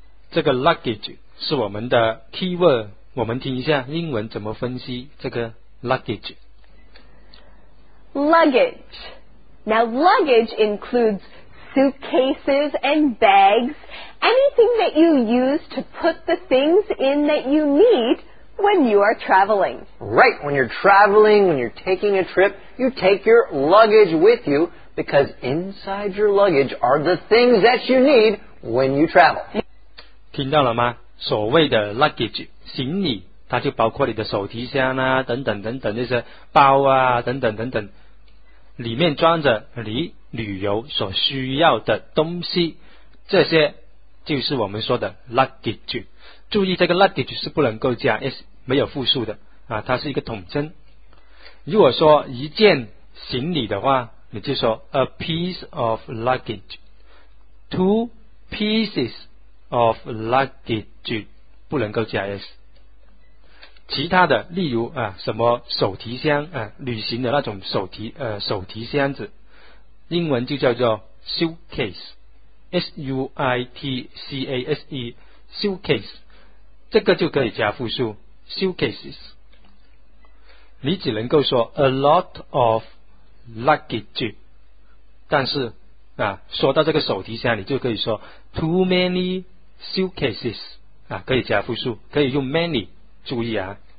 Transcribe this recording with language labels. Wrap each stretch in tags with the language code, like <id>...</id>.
<zh>这个 luggage 是我们的 keyword. 我们听一下英文怎么分析这个 luggage.</zh> <en>Luggage. Now luggage includes suitcases and bags. Anything that you use to put the things in that you need. When you are traveling. Right, when you're traveling, when you're taking a trip, you take your luggage with you because inside your luggage are the things that you need when you travel.</en> <zh>听到了吗？所谓的 luggage, 行李，它就包括你的手提箱啊，等等等等，那些包啊，等等等等，里面装着你旅游所需要的东西，这些就是我们说的 luggage。注意这个 luggage 是不能够加 s， 没有复数的啊，它是一个统称。如果说一件行李的话，你就说 a piece of luggage， two pieces of luggage 不能够加 s。其他的，例如啊，什么手提箱啊，旅行的那种手提箱子，英文就叫做 suitcase，s u i t c a s e suitcase。这个就可以加复数 suitcases， 你只能够说 a lot of luggage，但是啊，说到这个手提箱，你就可以说 too many suitcases 啊，可以加复数，可以用 many， 注意啊。</zh>